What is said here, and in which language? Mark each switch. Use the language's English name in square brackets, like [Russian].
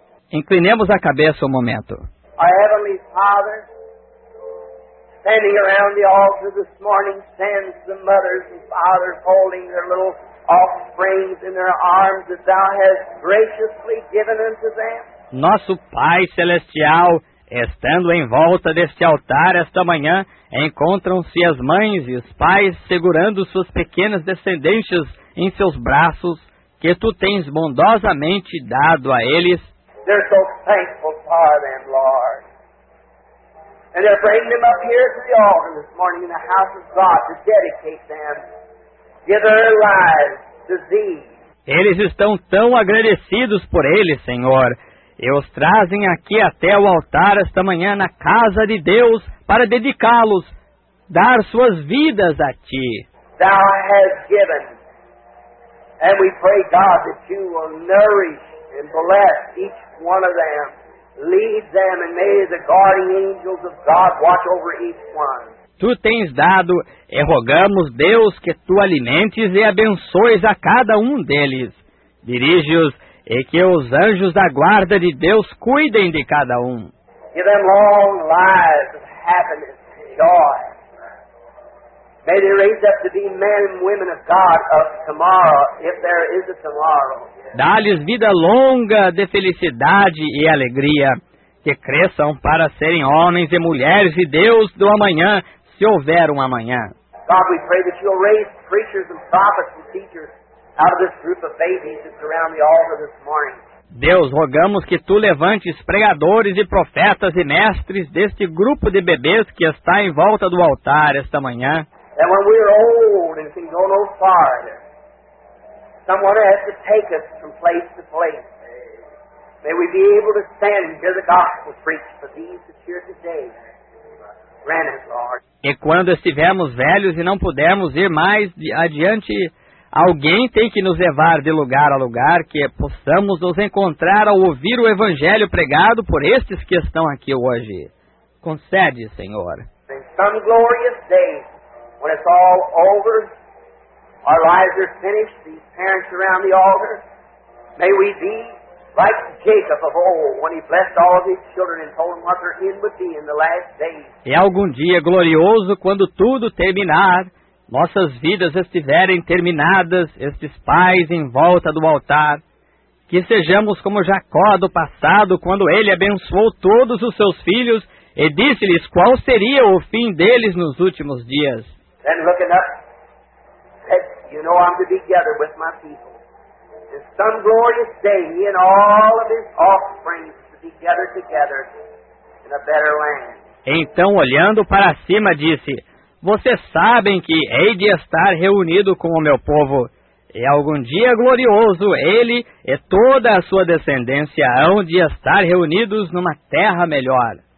[Portuguese] Inclinemos a cabeça um momento. [English] Our Heavenly Father, standing around the altar this morning, stands the mothers and fathers holding their little offspring in their arms that Thou hast graciously given unto them. [Portuguese] Nosso Pai Celestial, estando em volta deste altar esta manhã, encontram-se as mães e os pais segurando suas pequenas descendências em seus braços, que Tu tens bondosamente dado a eles. [English] They're so thankful for them, Lord. And they're bringing them up here to the altar this morning in the house of God to dedicate them, give their lives to Thee. [Portuguese] Eles estão tão agradecidos por eles, Senhor. E os trazem aqui até o altar esta manhã na casa de Deus para dedicá-los, dar suas vidas a Ti. [English] Thou hast given, and we pray, God, that You will nourish and bless each one of them. Lead them, and may the guardian angels of God watch over each one. [Portuguese] Tu tens dado, e rogamos, Deus, que Tu alimentes e abençoes a cada um deles. Dirige-os, e que os anjos da guarda de Deus cuidem de cada um. [English] Give them long lives of happiness and joy. May they raise up to be men and women of God of tomorrow, if there is a tomorrow. [Portuguese] Dá-lhes vida longa de felicidade e alegria, que cresçam para serem homens e mulheres de Deus do amanhã, se houver um amanhã. [English] God, we pray that You'll raise preachers and prophets and teachers out of this group of babies that surround the altar this morning. [Portuguese] Deus, rogamos que Tu levantes pregadores e profetas e mestres deste grupo de bebês que está em volta do altar esta manhã. [English] And when we are old and can go no farther, someone has to take us from place to place. May we be able to stand and hear the gospel preached for these that are here today. Grant it, Lord. [Portuguese] E quando estivermos velhos e não pudermos ir mais adiante, alguém tem que nos levar de lugar a lugar, que possamos nos encontrar ao ouvir o Evangelho pregado por estes que estão aqui hoje. Concede, Senhor. [English] In some glorious day, when it's all over, our lives are finished, these parents around the altar, may we be like Jacob of old, when he blessed all of his children and told them what their end would be in the last days. [Portuguese] E algum dia glorioso, quando tudo terminar, nossas vidas estiverem terminadas, estes pais em volta do altar, que sejamos como Jacó do passado, quando ele abençoou todos os seus filhos e disse-lhes qual seria o fim deles nos últimos dias. [English] Then looking up, said, you know I'm to be together with my people. In some glorious day, he and all of his offspring to be gathered together in a better land. [Portuguese] Então, olhando para cima, disse, vocês sabem que hei de estar reunido com o meu povo, e algum dia glorioso ele e toda a sua descendência hão de estar reunidos numa terra melhor.